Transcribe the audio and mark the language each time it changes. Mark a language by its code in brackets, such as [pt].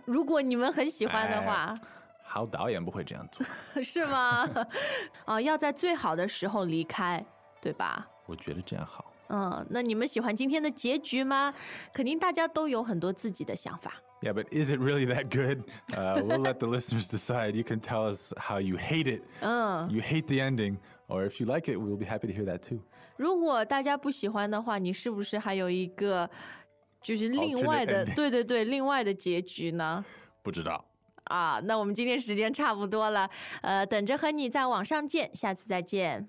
[zh] 如果你们很喜欢的话。好导演不会这样做。是吗？哦，要在最好的时候离开，对吧？我觉得这样好。嗯，那你们喜欢今天的结局吗？肯定大家都有很多自己的想法。 [en] Yeah, but is it really that good? We'll let the listeners decide. You can tell us how you hate it. You hate the ending. Or if you like it, we'll be happy to hear that too. [zh] 如果大家不喜欢的话，你是不是还有一个就是另外的，对对对，另外的结局呢？不知道。啊，那我们今天时间差不多了，等着和你在网上见，下次再见。